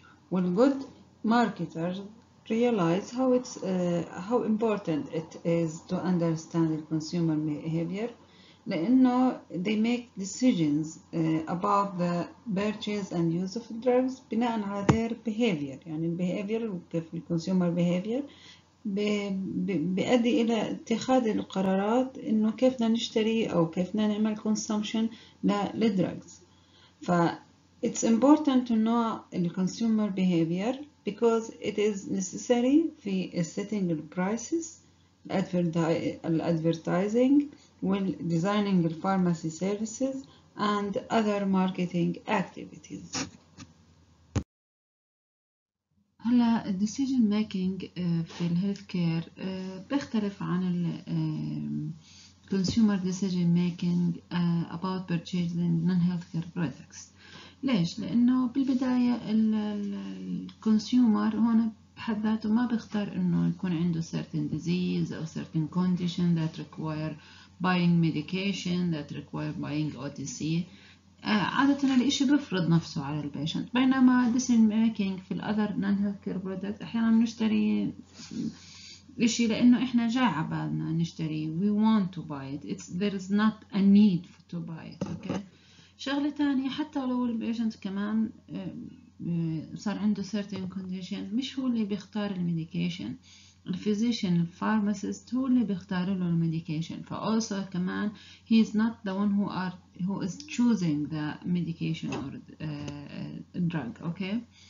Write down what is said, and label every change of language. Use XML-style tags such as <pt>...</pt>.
<en>Well, good marketers realize how important it is to understand the consumer behavior,</en> <ar>لأنه</ar> <en>they make decisions about the purchase and use of drugs</en> <ar>بناء على</ar> <en>their behavior.</en> <ar>يعني behavior كيف consumer behavior بيؤدي إلى اتخاذ القرارات إنه كيف بدنا نشتري أو كيف بدنا نعمل consumption للدراجز.</ar> <en>ف it's important to know the consumer behavior because it is necessary</en> <ar>في</ar> <en>setting the prices, advertising, when designing the pharmacy services and other marketing activities.</en> <ar>هلا</ar> <en>الديسيجن ميكينج في الهيلث كير</en> <ar>بيختلف عن</ar> <en>الكونسيومر decision making about purchasing non health care products.</en> <ar>ليش؟ لانه بالبدايه الكونسيومر هون بحد ذاته ما بيختار انه يكون عنده</ar> <en>Certain disease او certain condition that require buying medication that require buying O T C.</en> <ar>عادة الإشي بيفرض نفسه على البيشنت، بينما decision making في الأذر</ar> <en>non healthcare product</en> <ar>أحيانا بنشتري إشي لأنه إحنا جاي عبالنا نشتري</ar> <en>we want to buy it. It's, there is not a need to buy it. Okay.</en> <ar>شغلة تانية، حتى لو البيشنت كمان صار عنده certain condition مش هو اللي بيختار الميديكيشن، الفيزيشن الفارماسيست هو اللي بيختار له الميديكيشن. فأوسو كمان</ar> <en>he is not the one who is choosing the medication or drug. Okay.</en>